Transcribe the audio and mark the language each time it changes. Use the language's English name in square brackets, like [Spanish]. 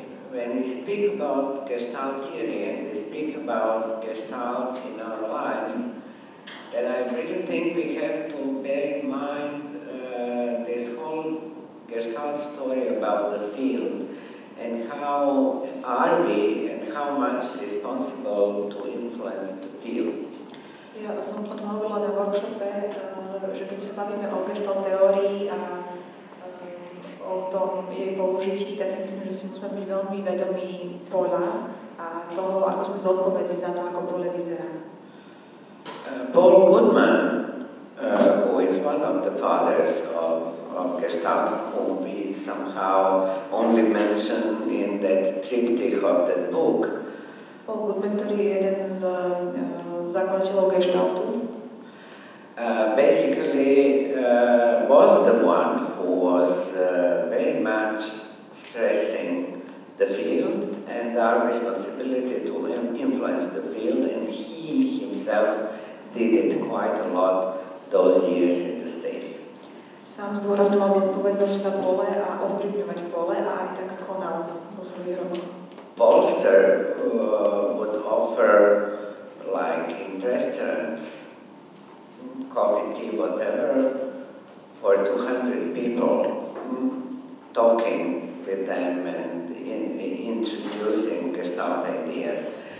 [English] When we speak about gestalt theory and we speak about gestalt in our lives, then I really think we have to bear in mind this whole gestalt story about the field and how are we and how much is possible to influence the field. [Slovak] Ja som podmávila na workshope, že keď sa bavíme o gestalt teórii a o tom jej použití, tak si myslím, že si musíme byť veľmi vedomí pola a toho, ako sme zodpovední za to, ako pole vyzerá. [English] Paul Goodman, who is one of the fathers of Gestalt, who we somehow only mentioned in that triptych of that book. [Slovak] Paul Goodman, ktorý je jeden z zakladateľov Gestaltu. [English] Basically, was the one who was very much stressing the field and our responsibility to influence the field, and he himself did it quite a lot those years in the States. [Slovak] Sám zdôrazňoval zodpovednosť za pole a ovplyvňovať pole a aj tak konal posledný rok. [English] Polster would offer, like in restaurants, coffee, tea, whatever, for 200 people, talking with them and introducing Gestalt ideas.